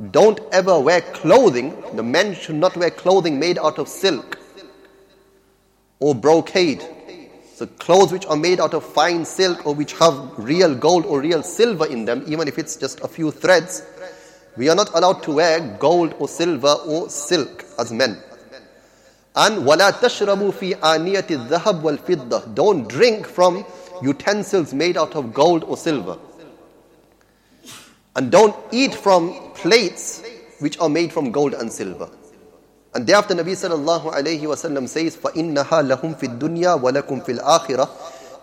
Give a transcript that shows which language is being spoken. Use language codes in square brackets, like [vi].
[en] Don't ever wear clothing. The men should not wear clothing made out of silk or brocade. So clothes which are made out of fine silk or which have real gold or real silver in them, even if it's just a few threads, we are not allowed to wear gold or silver or silk as men. [ar] And وَلَا تَشْرَمُوا فِي آنِيَةِ الذَّهَبِ وَالْفِضَّةِ. [en] Don't drink from utensils made out of gold or silver. And don't eat from plates which are made from gold and silver. And thereafter Nabi sallallahu alayhi wa sallam says, [ar] فَإِنَّهَا لَهُمْ فِي الدُّنْيَا وَلَكُمْ فِي الْآخِرَةِ.